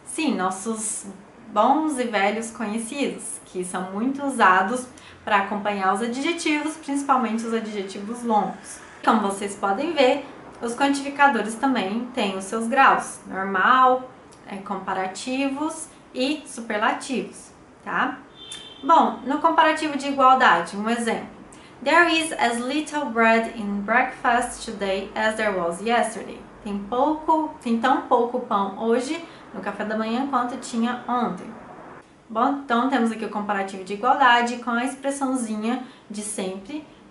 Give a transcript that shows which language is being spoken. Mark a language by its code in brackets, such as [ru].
[pt] Sim, nossos bons e velhos conhecidos, que são muito usados para acompanhar os adjetivos, principalmente os adjetivos longos. Como vocês podem ver, os quantificadores também têm os seus graus, normal, comparativos e superlativos, tá? Bom, no comparativo de igualdade, um exemplo. [en] There is as little bread in breakfast today as there was yesterday. [pt] Tem tão pouco pão hoje no café da manhã quanto tinha ontem. Bom, então temos aqui o comparativo de igualdade com a expressãozinha de sempre.